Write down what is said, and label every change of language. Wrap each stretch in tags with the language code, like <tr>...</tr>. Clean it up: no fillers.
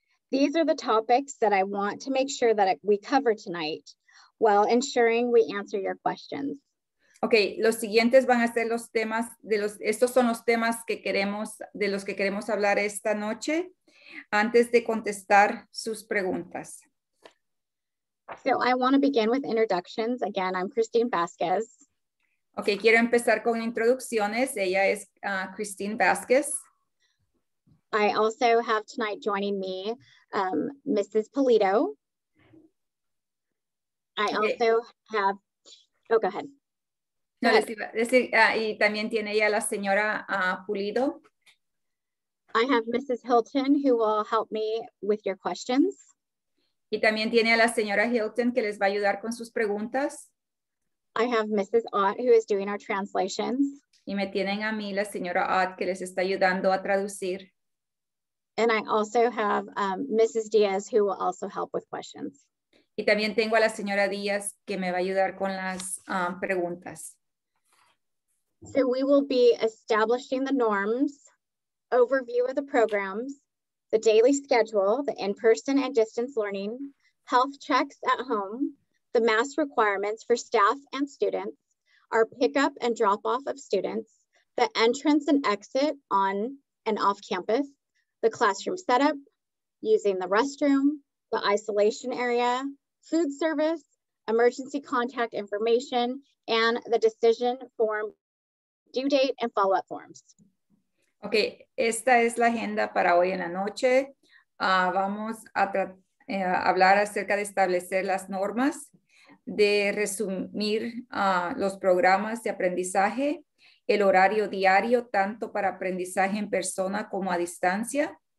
<en>These are the topics that I want to make sure that we cover tonight while ensuring we answer your questions.</en> <es>Okay, los siguientes van a ser los temas de los, estos son los temas que queremos, de los que queremos hablar esta noche antes de contestar sus preguntas.</es> <en>So I want to begin with introductions. Again, I'm Christine Vasquez.</en> <es>Okay, quiero empezar con introducciones. Ella es Christine Vasquez.</es> <en>I also have tonight joining me Mrs. Polito. I also have, oh, go ahead.</en> <es>No, les iba a decir, y también tiene ella la señora Pulido.</es> <en>I have Mrs. Hilton who will help me with your questions.</en> <es>Y también tiene a la señora Hilton que les va a ayudar con sus preguntas.</es> <en>I have Mrs. Ott who is doing our translations.</en> <es>Y me tienen a mí la señora Ott que les está ayudando a traducir.</es> <en>And I also have Mrs. Diaz who will also help with questions.</en> <es>Y también tengo a la señora Diaz que me va a ayudar con las preguntas.</es> <en>So we will be establishing the norms, overview of the programs, the daily schedule, the in-person and distance learning, health checks at home, the mask requirements for staff and students, our pickup and drop-off of students, the entrance and exit on and off campus, the classroom setup, using the restroom, the isolation area, food service, emergency contact information, and the decision form due date and follow-up forms.</en> <es>Okay, esta es la agenda para hoy en la noche. Vamos a hablar acerca de establecer las normas, de resumir los programas de aprendizaje, el horario diario, tanto para aprendizaje en persona como a distancia,</es>